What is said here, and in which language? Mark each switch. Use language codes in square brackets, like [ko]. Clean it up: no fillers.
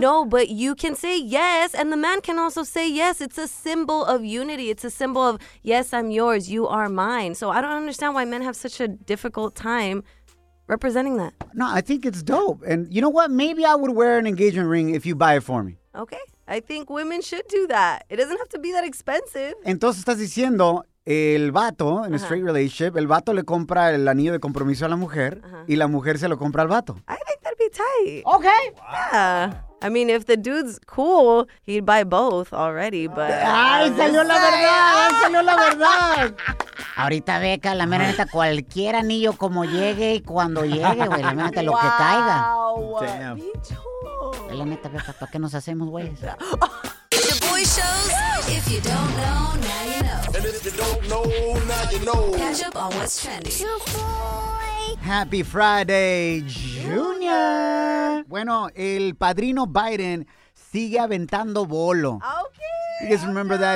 [en] No, but you can say yes, and the man can also say yes. It's a symbol of unity. It's a symbol of, yes, I'm yours, you are mine. So I don't understand why men have such a difficult time representing that. No, I think it's dope. And you know what? Maybe I would wear an engagement ring if you buy it for me. Okay. I think women should do that. It doesn't have to be that expensive. [es] Entonces estás diciendo, el vato, [en] in a straight relationship, [es] el vato le compra el anillo de compromiso a la mujer, y la mujer se lo compra al vato. [en] Tight. Okay. Yeah. I mean, if the dude's cool, he'd buy both already, but... [es] ¡Ay, salió la verdad! ¡Ay, salió la verdad! Ahorita, Beca, la mera neta, cualquier anillo como llegue y cuando llegue, güey, la mera neta, lo que caiga. [en] Wow. Damn. [es] La neta, Beca, ¿para qué nos hacemos, güey? [en] The Boy Shows. If you don't know, now you know. And if you don't know, now you know. Catch up on what's trending. The Boy. Happy Friday, Junior. [es] Bueno, el padrino Biden sigue aventando bolo. [en] Okay. You guys remember that?